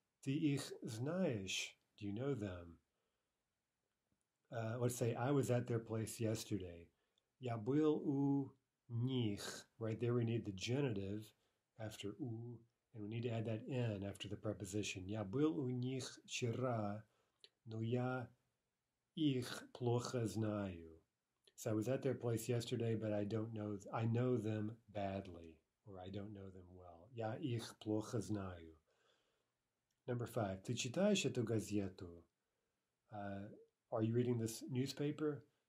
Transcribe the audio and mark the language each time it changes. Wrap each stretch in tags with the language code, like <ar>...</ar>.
<ru>Ты их знаешь?</ru> <en>Do you know them? Let's say, I was at their place yesterday.</en> <ru>Я был у них.</ru> <en>Right there we need the genitive after у, and we need to add that n after the preposition.</en> <ru>Я был у них вчера, но я их плохо знаю.</ru> <en>So I was at their place yesterday, but I know them badly, or I don't know them well.</en> <ru>Я их плохо знаю.</ru> <en>Number five.</en> <ru>Ты читаешь эту газету?</ru> <en>Are you reading this newspaper?</en>